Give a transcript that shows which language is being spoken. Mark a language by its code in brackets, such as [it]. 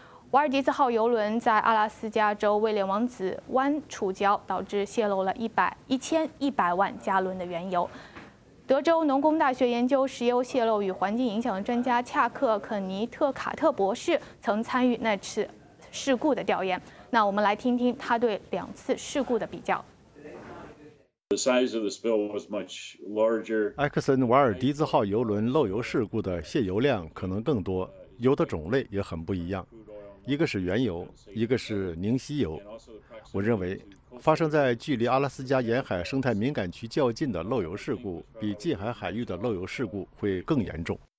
[zh] 瓦尔迪兹号油轮在阿拉斯加州威廉王子湾触礁，导致泄漏了1100万加仑的原油。德州农工大学研究石油泄漏与环境影响的专家恰克·肯尼特·卡特博士曾参与那次事故的调研。那我们来听听他对两次事故的比较。 [en] The size of the spill was much larger. [zh] 埃克森·瓦尔迪兹号油轮漏油事故的泄油量可能更多，油的种类也很不一样，一个是原油，一个是凝析油。我认为发生在距离阿拉斯加沿海生态敏感区较近的漏油事故比近海海域的漏油事故会更严重。